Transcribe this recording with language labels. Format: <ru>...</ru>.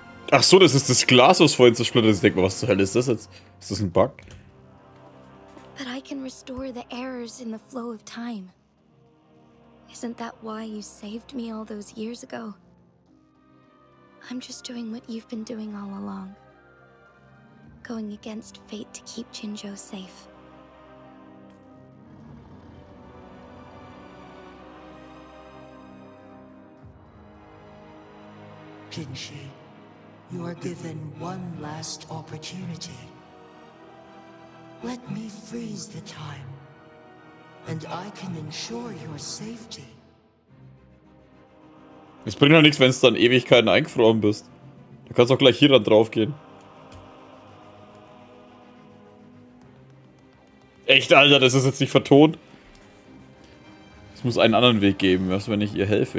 <de>Ach so, das ist das Glas, was vorhin zersplittert ist. Ich denke, was zur Hölle ist das jetzt? Ist das ein Bug?</de> <en>But I can restore the errors in the flow of time. Isn't that why you saved me all those years ago? I'm just doing what you've been doing all along. Going against fate to keep Jinjo safe. Jinshi, you are given one last opportunity. Let me freeze the time, and I can ensure your safety.</en> <de>Es bringt doch nichts, wenn du dann Ewigkeiten eingefroren bist. Du kannst auch gleich hier dran drauf gehen. Echt, Alter, das ist jetzt nicht vertont. Es muss einen anderen Weg geben, was, wenn ich ihr helfe?</de>